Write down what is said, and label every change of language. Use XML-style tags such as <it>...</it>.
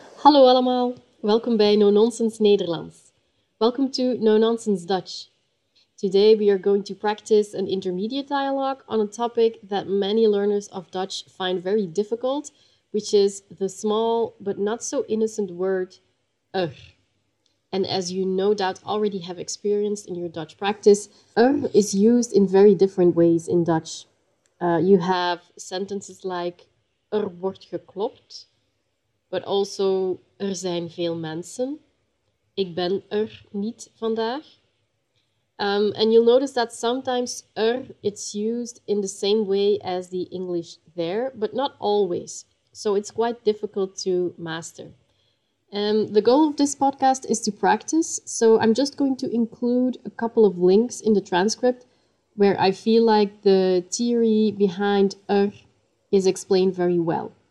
<nl>Hallo allemaal, welkom bij No Nonsense Nederlands.</nl> <en>Welcome to No Nonsense Dutch. Today we are going to practice an intermediate dialogue on a topic that many learners of Dutch find very difficult, which is the small but not so innocent word, ugh. And as you no doubt already have experienced in your Dutch practice, ugh is used in very different ways in Dutch. You have sentences like,</en> <nl>er wordt geklopt,</nl> <en>but also,</en> <nl>er zijn veel mensen. Ik ben er niet vandaag.</nl> <en>And you'll notice that sometimes er, it's used in the same way as the English there, but not always. So it's quite difficult to master. The goal of this podcast is to practice. So I'm just going to include a couple of links in the transcript where I feel like the theory behind er is explained very well.</en>